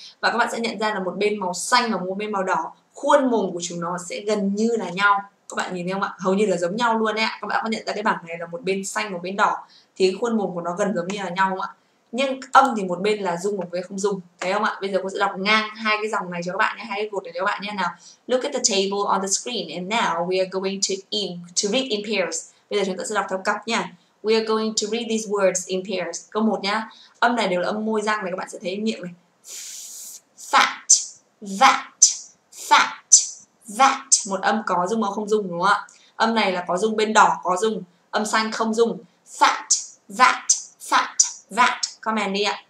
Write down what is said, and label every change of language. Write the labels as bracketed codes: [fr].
[vi] Và các bạn sẽ nhận ra là một bên màu xanh và một bên màu đỏ, khuôn mồm của chúng nó sẽ gần như là nhau. Các bạn nhìn thấy không ạ? Hầu như là giống nhau luôn đấy ạ. Các bạn có nhận ra cái bảng này là một bên xanh và một bên đỏ thì cái khuôn mồm của nó gần giống như là nhau không ạ? Nhưng âm thì một bên là rung, một bên không rung. Thấy không ạ? Bây giờ cô sẽ đọc ngang hai cái dòng này cho các bạn nhé, hai cái cột này cho các bạn nhé nào. [en] Look at the table on the screen and now we are going to read in pairs. [vi] Bây giờ chúng ta sẽ đọc theo cặp nha. [en] We are going to read these words in pairs. [vi] Câu 1 nhá. Âm này đều là âm môi răng này, các bạn sẽ thấy miệng này. [en] Fat, that, fat, that. [vi] Một âm có rung hoặc không rung đúng không ạ? Âm này là có rung bên đỏ, có rung. Âm xanh không rung. [en] Fat, that, fat, that. Comment [vi] đi ạ.